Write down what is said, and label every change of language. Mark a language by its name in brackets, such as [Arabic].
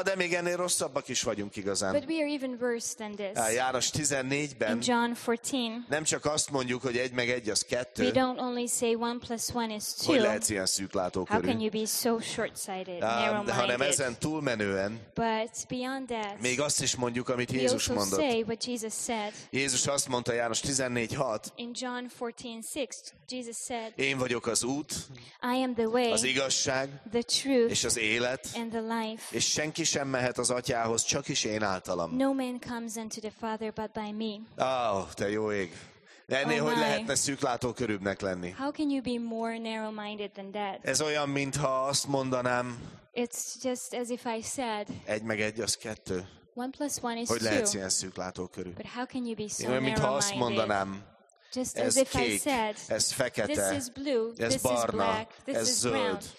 [Hungarian] De még ennél rosszabbak is vagyunk igazán. [English] But we are even worse than this. [Hungarian] János 14-ben [English] in John 14, [Hungarian] nem csak azt mondjuk, hogy egy meg egy az kettő. [English] We don't only say one plus one is two. [Hungarian] Hogy lehetsz ilyen szűklátókörű? [English] How can you be so short-sighted, narrow-minded? [Hungarian] Hanem ezen túlmenően [English] but beyond that, [Hungarian] még azt is mondjuk, amit Jézus [English] also [Hungarian] mondott. [English] Say what Jesus said. [Hungarian] Jézus azt mondta János 14:6. [English] In John 14:6, Jesus said, [Hungarian] én vagyok az út, [English] I am the way, [Hungarian] az igazság, [English] the truth, [Hungarian] és az élet, [English] and the life. [Hungarian] És senki sem mehet az atyához, csak is én általam. [English] No man comes unto the Father but by me. [Hungarian] Te jó ég. Ennél [English] oh [Hungarian] hogy lehetne szűklátókörűbbnek lenni? [English] How can you be more narrow-minded than that? [Hungarian] Ez olyan, mintha azt mondanám, [English] it's just as if I said, [Hungarian] egy meg egy az kettő. [English] One plus one is [Hungarian] hogy [English] two. [Hungarian] Lehetsz ilyen szűklátókörű? [English] But how can you be so narrow-minded? [Hungarian] Én, mintha azt mondanám, ez kék, ez fekete, ez barna, ez zöld.